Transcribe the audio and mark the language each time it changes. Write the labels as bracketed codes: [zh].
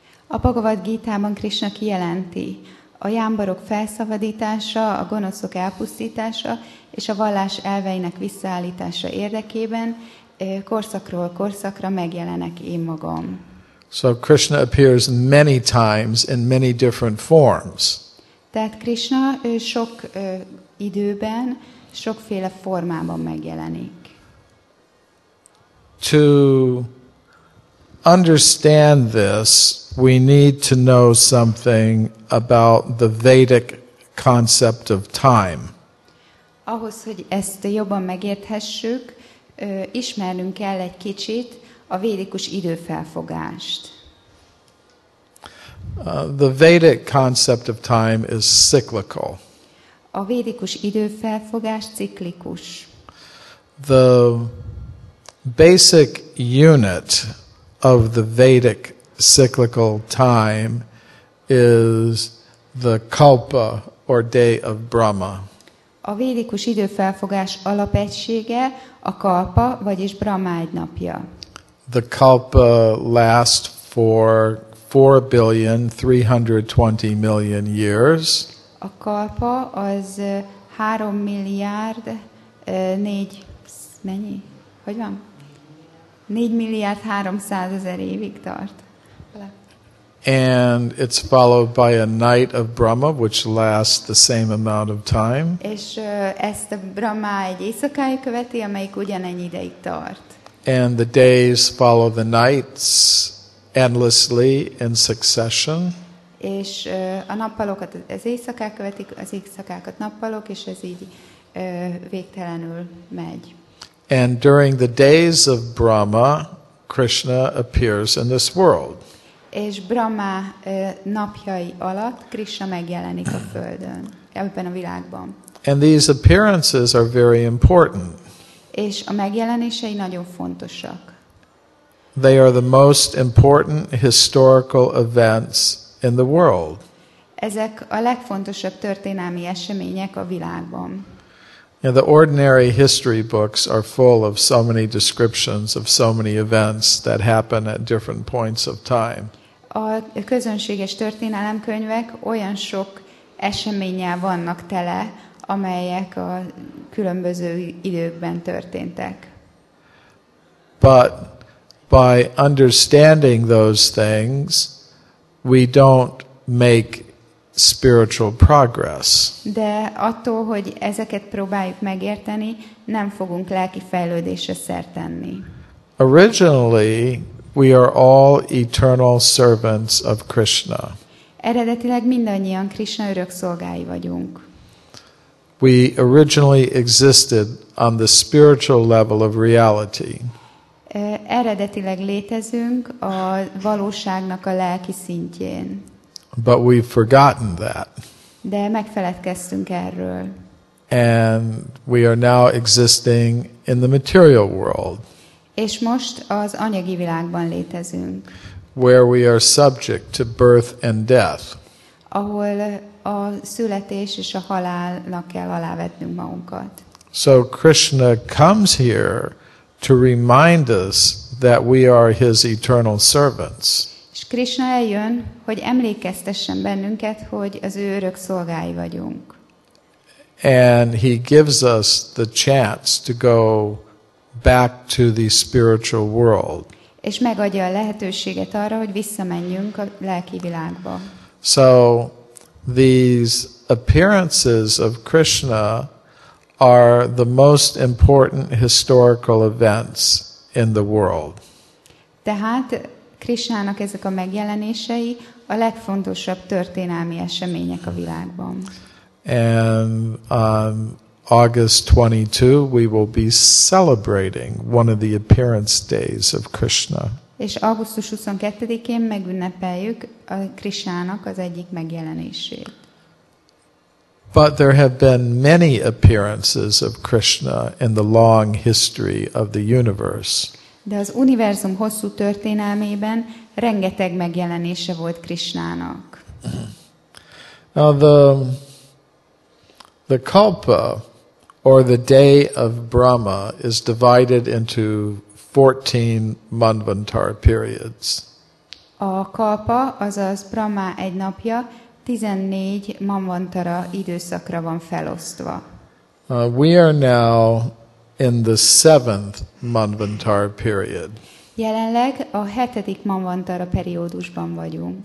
[hu] A Bhagavad Gita-ban Krishna kijelenti, a jámbarok felszabadítása, a gonoszok elpusztítása és a vallás elveinek visszaállítása érdekében korszakról korszakra megjelenek én magam. [en] So Krishna appears many times in many different forms. [hu] Tehát Krishna sok időben, sokféle formában megjelenik. [en] To understand this, we need to know something about the Vedic concept of time. [hu] Ahhoz, hogy ezt jobban megérthessük, ismernünk kell egy kicsit a védikus időfelfogást. [en] The Vedic concept of time is cyclical. [hu] A védikus időfelfogás ciklikus. [en] The basic unit of the Vedic cyclical time is the kalpa or day of Brahma. [hu] A védikus időfelfogás alapegysége a kalpa, vagyis Brahma egy napja. [en] The kalpa lasts for 4,320,000,000 years. [hu] A kalpa az 3 milliárd 4 mennyi? Hogy van? 4 milliárd 300 ezer évig tart. [en] And it's followed by a night of Brahma, which lasts the same amount of time. [hu] És ezt a Brahma egy éjszakája követi, amelyik ugyanennyi ideig tart. [en] And the days follow the nights endlessly in succession. [hu] És a nappalokat az éjszakák követik, az éjszakákat nappalok, és ez így végtelenül megy. [en] And during the days of Brahma, Krishna appears in this world. [hu] És Brahma napjai alatt Krishna megjelenik a földön, ebben a világban. [en] And these appearances are very important. [hu] És a megjelenései nagyon fontosak. [en] They are the most important historical events in the world. [hu] Ezek a legfontosabb történelmi események a világban. [en] Now, the ordinary history books are full of so many descriptions of so many events that happen at different points of time. [hu] A közönséges történelemkönyvek olyan sok eseménnyel vannak tele, amelyek a különböző időkben történtek. [en] But by understanding those things, we don't make spiritual progress. [hu] De attól, hogy ezeket próbáljuk megérteni, nem fogunk lelki fejlődésre szert tenni. [en] Originally, we are all eternal servants of Krishna. [hu] Eredetileg mindannyian Krishna örök szolgái vagyunk. [en] We originally existed on the spiritual level of reality. [hu] Eredetileg létezünk a valóságnak a lelki szintjén. [en] But we've forgotten that. [hu] De megfeledkeztünk erről. [en] And we are now existing in the material world. [hu] És most az anyagi világban létezünk. [en] Where we are subject to birth and death. [hu] Ahol a születés és a halálnak kell alávetnünk magunkat. [en] So Krishna comes here to remind us that we are his eternal servants. [hu] És Krishna eljön, hogy emlékeztessen bennünket, hogy az ő örök szolgái vagyunk. [en] And he gives us the chance to go back to the spiritual world. [hu] És megadja a lehetőséget arra, hogy visszamenjünk a lelki világba. [en] So these appearances of Krishna are the most important historical events in the world. [hu] Tehát Krishnának ezek a megjelenései a legfontosabb történelmi események a világban. [en] And on August 22, we will be celebrating one of the appearance days of Krishna. [hu] És augusztus 22-én megünnepeljük a Krishnának az egyik megjelenését. [en] But there have been many appearances of Krishna in the long history of the universe. [hu] De az univerzum hosszú történelmében rengeteg megjelenése volt Krishnának. [en] Now the The Kalpa, or the day of Brahma, is divided into 14 manvantara periods. [hu] A kalpa, azaz Brahma egy napja, 14 manvantara időszakra van felosztva. [en] We are now in the 7th manvantara period. [hu] Jelenleg a 7. manvantara periódusban vagyunk.